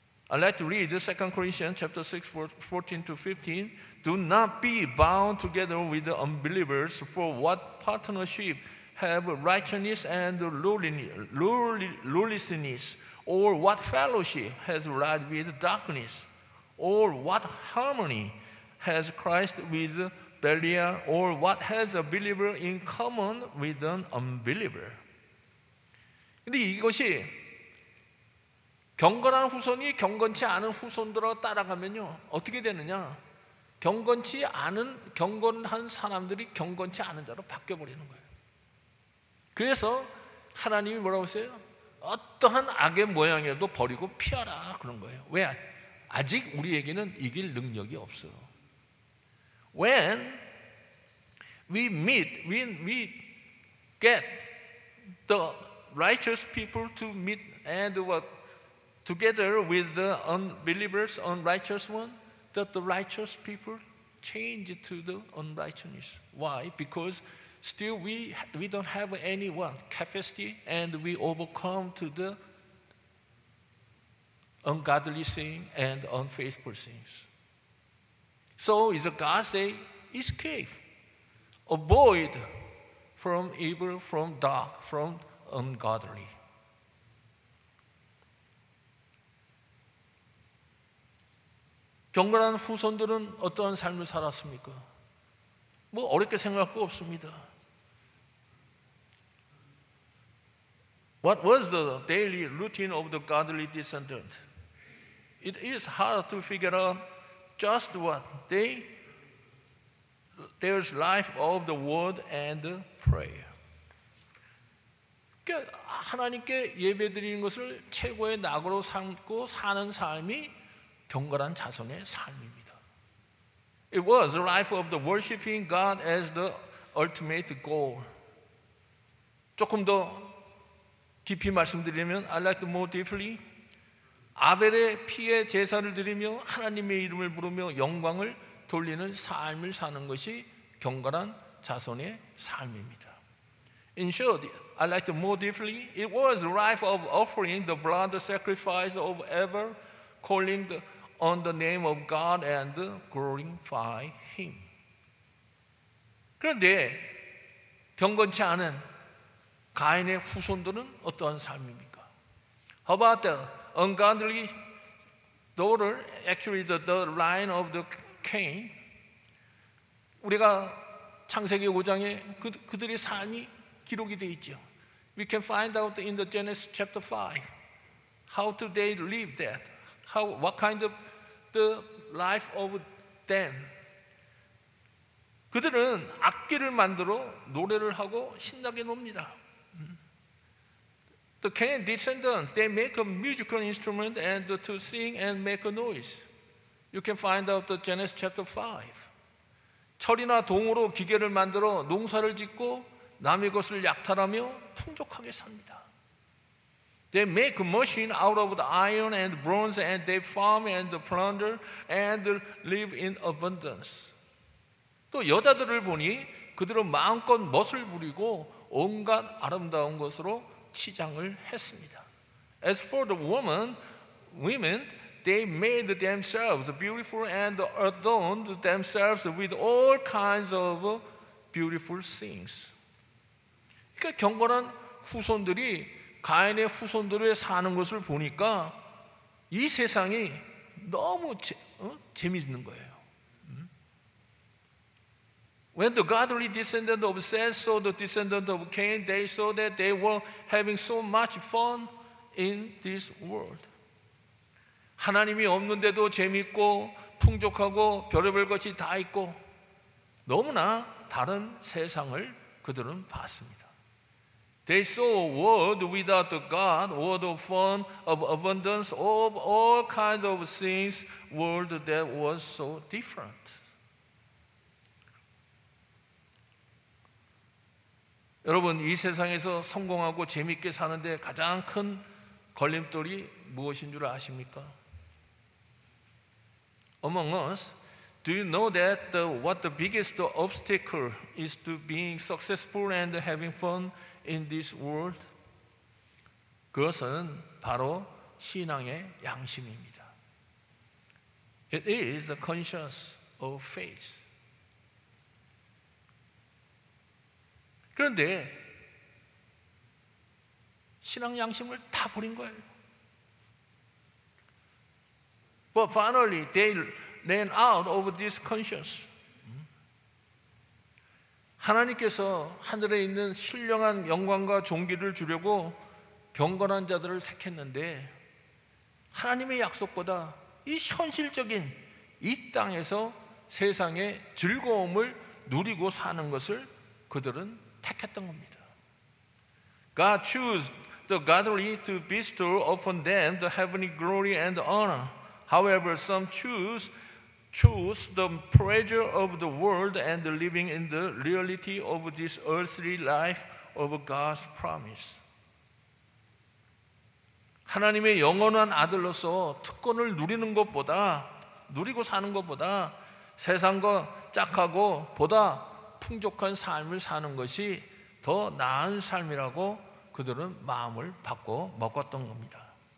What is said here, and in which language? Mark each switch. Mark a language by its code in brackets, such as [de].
[en] I'd like to read the 2 Corinthians chapter 6 verse 14 to 15. Do not be bound together with the unbelievers, for what partnership have righteousness and lawlessness, or what fellowship has light with darkness, or what harmony has Christ with Belial, or what has a believer in common with an unbeliever? [ko] 근데 이것이 경건한 후손이 경건치 않은 후손들하고 따라가면요 어떻게 되느냐? 경건치 않은 경건한 사람들이 경건치 않은 자로 바뀌어 버리는 거예요. 그래서 하나님이 뭐라고 하세요? 어떠한 악의 모양이라도 버리고 피하라 그런 거예요. 왜? 아직 우리에게는 이길 능력이 없어. [en] When we get the righteous people to meet and what together with the unbelievers, unrighteous one, that the righteous people change to the unrighteousness. Why? Because still we don't have any what capacity, and we overcome to the ungodly thing and unfaithful things. So is God say escape, avoid from evil, from dark, from ungodly. [ko] 경건한 후손들은 어떠한 삶을 살았습니까? 뭐 어렵게 생각할 거 없습니다. [en] What was the daily routine of the godly descendant? It is hard to figure out just what they, their life of the word and prayer. [ko] 그러니까 하나님께 예배드리는 것을 최고의 낙으로 삼고 사는 삶이 경건한 자손의 삶입니다. [en] It was the life of the worshiping God as the ultimate goal. [ko] 조금 더 깊이 말씀드리면 [en] I'd like to more deeply [ko] 아벨의 피에 제사를 드리며 하나님의 이름을 부르며 영광을 돌리는 삶을 사는 것이 경건한 자손의 삶입니다. [en] In short, I'd like to more deeply it was the life of offering the blood sacrifice of ever calling the on the name of God and glorify Him. [ko] 그런데 경건치 않은 가인의 후손들은 어떠한 삶입니까? [en] How about the ungodly daughter, actually the line of the Cain? [ko] 우리가 창세기 5장에 그들의 삶이 기록이 되어 있죠. [en] We can find out in the Genesis chapter 5 how do they live that? How what kind of the life of them. [ko] 그들은 악기를 만들어 노래를 하고 신나게 놉니다. [en] The Cain descendants, they make a musical instrument and to sing and make a noise. You can find out the Genesis chapter 5. [ko] 철이나 동으로 기계를 만들어 농사를 짓고 남의 것을 약탈하며 풍족하게 삽니다. [en] They make a machine out of the iron and bronze and they farm and plunder and live in abundance. [ko] 또 여자들을 보니 그들은 마음껏 멋을 부리고 온갖 아름다운 것으로 치장을 했습니다. [en] As for the woman, women, they made themselves beautiful and adorned themselves with all kinds of beautiful things. [ko] 그러니까 경건한 후손들이 가인의 후손들의 사는 것을 보니까 이 세상이 너무 재미있는 거예요. [en] When the godly descendant of Seth saw the descendant of Cain, they saw that they were having so much fun in this world. [ko] 하나님이 없는데도 재미있고 풍족하고 별의별 것이 다 있고 너무나 다른 세상을 그들은 봤습니다. [en] They saw a world without the God, a world of fun, of abundance, of all kinds of things, world that was so different. [ko] 여러분, 이 세상에서 성공하고 재미있게 사는데 가장 큰 걸림돌이 무엇인 줄 아십니까? [en] Among us, do you know that what the biggest obstacle is to being successful and having fun in this world? [ko] 그것은 바로 신앙의 양심입니다. [en] It is the conscience of faith. [ko] 그런데 신앙 양심을 다 버린 거예요. [en] But finally, they ran out of this conscience. [ko] 하나님께서 하늘에 있는 신령한 영광과 존귀를 주려고 경건한 자들을 택했는데 하나님의 약속보다 이 현실적인 이 땅에서 세상의 즐거움을 누리고 사는 것을 그들은 택했던 겁니다. [en] God chose the godly to bestow upon them the heavenly glory and honor. However, some choose the pleasure of the world and living in the reality of this earthly life of God's promise. [ko] 하나님의 영원한 아들로서 특권을 누리는 것보다 누리고 사는 것보다 세상과 짝하고 보다 풍족한 삶을 사는 것이 더 나은 삶이라고 그들은 마음을 바꿔 먹었던 겁니다.